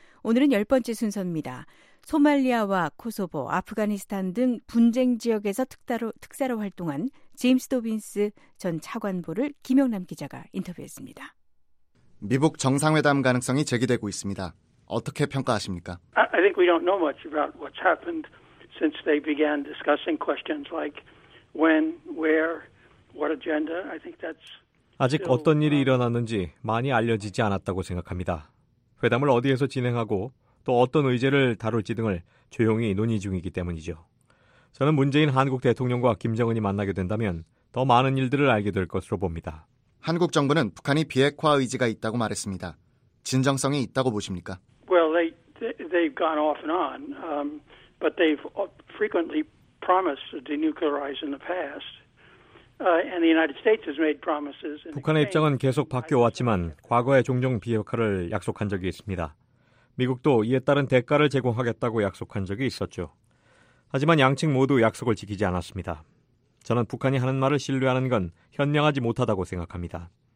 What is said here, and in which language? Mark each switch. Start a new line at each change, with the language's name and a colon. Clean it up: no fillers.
Korean: 오늘은 열 번째 순서입니다. 소말리아와 코소보, 아프가니스탄 등 분쟁 지역에서 특사로 활동한 제임스 도빈스 전 차관보를 김영남 기자가 인터뷰했습니다. 미북 정상회담 가능성이 제기되고 있습니다. 어떻게 평가하십니까?
English: I think we don't know much about what's happened since they began discussing questions like when, where, what agenda. I think that's
Korean: 아직 어떤 일이 일어났는지 많이 알려지지 않았다고 생각합니다. 회담을 어디에서 진행하고 또 어떤 의제를 다룰지 등을 조용히 논의 중이기 때문이죠. 저는 문재인 한국 대통령과 김정은이 만나게 된다면 더 많은 일들을 알게 될 것으로 봅니다. 한국 정부는 북한이 비핵화 의지가 있다고 말했습니다. 진정성이 있다고 보십니까?
English: Well, they've gone off and on, but they've frequently promised to denuclearize in the past. And the United States has made promises.
Korean: 북한의 입장은 계속 바뀌어 왔지만 과거에 종종 비핵화를 약속한 적이 있습니다. 미국도 이에 따른 대가를 제공하겠다고 약속한 적이 있었죠. 하지만 양측 모두 약속을 지키지 않았습니다. 저는 북한이 하는 말을 신뢰하는 건 현명하지 못하다고 생각합니다.